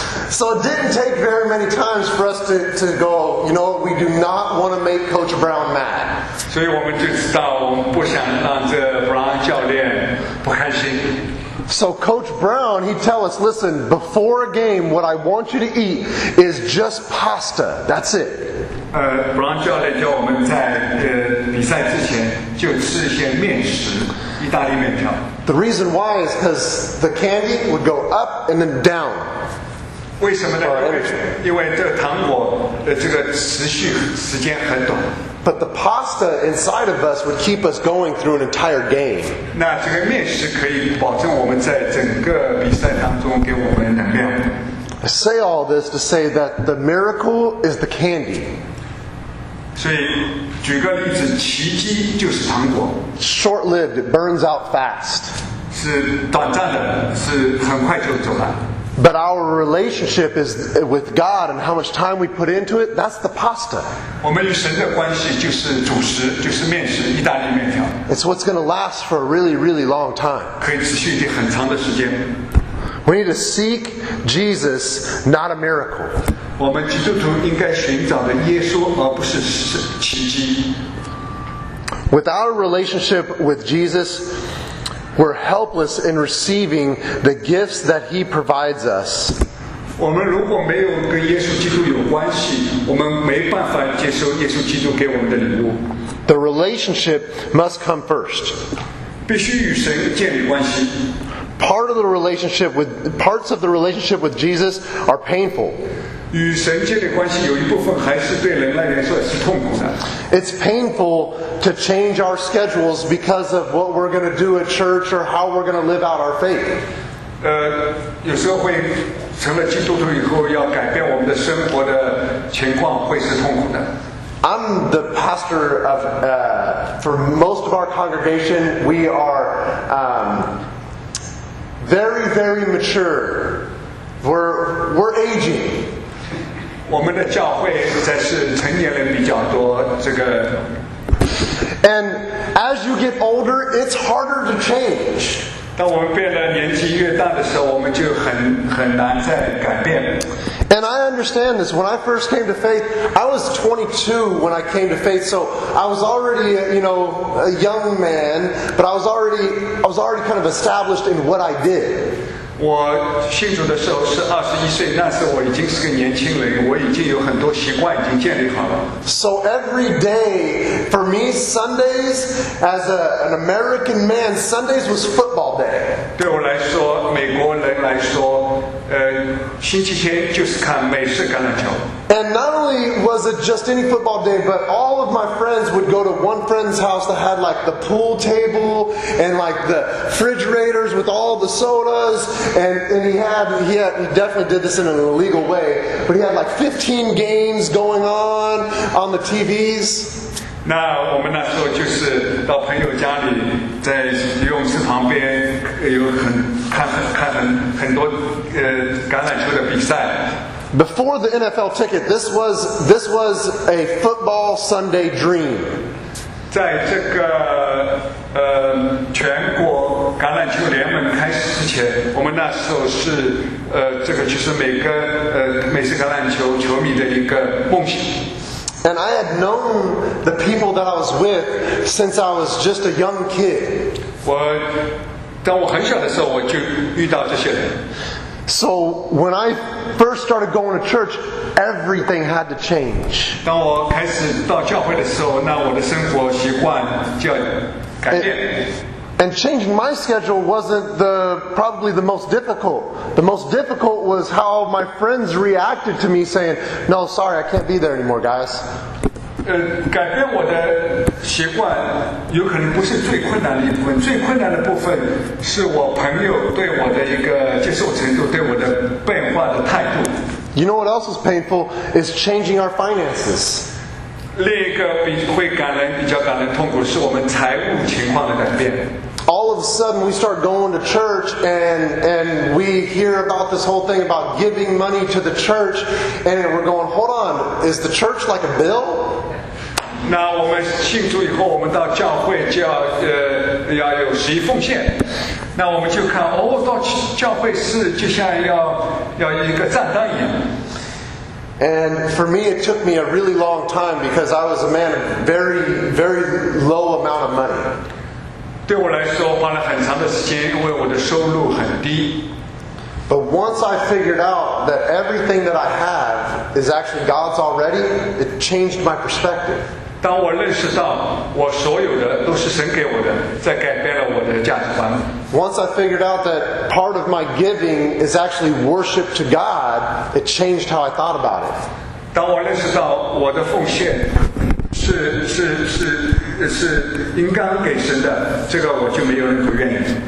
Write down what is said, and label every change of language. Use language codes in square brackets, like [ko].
[en] So it didn't take very many times for us to go, you know, we do not want to make Coach Brown mad. [zh] 所以我们就知道我们不想让这 Brown 教练不开心。 [en] So Coach Brown, he'd tell us, listen, before a game, what I want you to eat is just pasta. That's it. [zh] Brown 教练叫我们在比赛之前就吃一些面食。 [en] The reason why is because the candy would go up and then down. [zh] 为什么呢？因为这个糖果的这个持续时间很短。 [en] But the pasta inside of us would keep us going through an entire game. [zh] 那这个面食可以保证我们在整个比赛当中给我们能量。 [en] I say all this to say that the miracle is the candy. [zh] 所以举个例子，奇迹就是糖果。 [en] Short-lived, it burns out fast. [zh] 是短暂的，是很快就走了。 [en] But our relationship is with God, and how much time we put into it, that's the pasta. [zh] 我们与神的关系就是主食，就是面食，意大利面条。 [en] It's what's going to last for a really, really long time. [zh] 可以持续一很长的时间。 [en] We need to seek Jesus, not a miracle. [zh] 我们基督徒应该寻找的耶稣，而不是奇迹。 [en] Without a relationship with Jesus, we're helpless in receiving the gifts that He provides us. [zh] 我们如果没有跟耶稣基督有关系，我们没办法接受耶稣基督给我们的礼物。 [en] The relationship must come first. [zh] 必须与神建立关系。 [en] Parts of the relationship with Jesus are painful. [zh] 与神建立关系有一部分还是对人来说是痛苦的。 [en] It's painful to change our schedules because of what we're going to do at church or how we're going to live out our faith. [zh] 有时候会成了基督徒以后要改变我们的生活的情况会是痛苦的。 [en] I'm the pastor of, for most of our congregation, we are, very, very mature. We're aging. [zh] 我们的教会实在是成年人比较多。这个。 [en] And as you get older, it's harder to change. [zh] 当我们变得年纪越大的时候，我们就很难再改变。 [en] And I understand this. When I first came to faith, I was 22 when I came to faith, so I was already, you know, a young man, but I was already kind of established in what I did. [zh] 我信主的时候是21岁，那时我已经是个年轻人，我已经有很多习惯已经建立好了。 [en] So every day, for me, Sundays, as an American man, Sundays was football day. [zh] 对我来说，美国人来说，星期天就是看美式橄榄球。 [en] And not only was it just any football day, but all of my friends would go to one friend's house that had like the pool table and like the refrigerators with all the sodas. And he definitely did this in an illegal way, but he had like 15 games going on the TVs. [zh] 那我们那时候就是到朋友家里，在游泳池旁边有很看看很多橄榄球的比赛。 [en] Before the NFL ticket, this was a football Sunday dream. [zh] 在这个全国橄榄球联盟开始之前，我们那时候是这个就是每个美式橄榄球球迷的一个梦想。 [en] And I had known the people that I was with since I was just a young kid. [zh] 我当我很小的时候我就遇到这些人。 [en] So when I first started going to church, everything had to change. [zh] 当我开始到教会的时候，那我的生活习惯就要改变。 [en] And changing my schedule wasn't probably the most difficult. The most difficult was how my friends reacted to me saying, "No, sorry, I can't be there anymore, guys." [zh] 改变我的习惯有可能不是最困难的一部分。最困难的部分是我朋友对我的一个接受程度，对我的变化的态度。 [en] You know what else is painful? Is changing our finances. [zh] 另一个比较感人痛苦是我们财务情况的改变。 [en] All of a sudden, we start going to church, and we hear about this whole thing about giving money to the church, and we're going, hold on, is the church like a bill? [zh] 那我们庆祝以后，我们到教会就要有十一奉献。那我们就看，哦，到教会是就像要一个账单一样。 [en] And for me, it took me a really long time because I was a man of very, very low amount of money. [zh] 对我来说花了很长的时间，因为我的收入很低。 [en] But once I figured out that everything that I have is actually God's already, it changed my perspective. [zh] 当我认识到我所有的都是神给我的，这改变了我的价值观。 [en] Once I figured out that part of my giving is actually worship to God, it changed how I thought about it. [zh] 当我认识到我的奉献是应该给神的，这个我就没有人不愿意。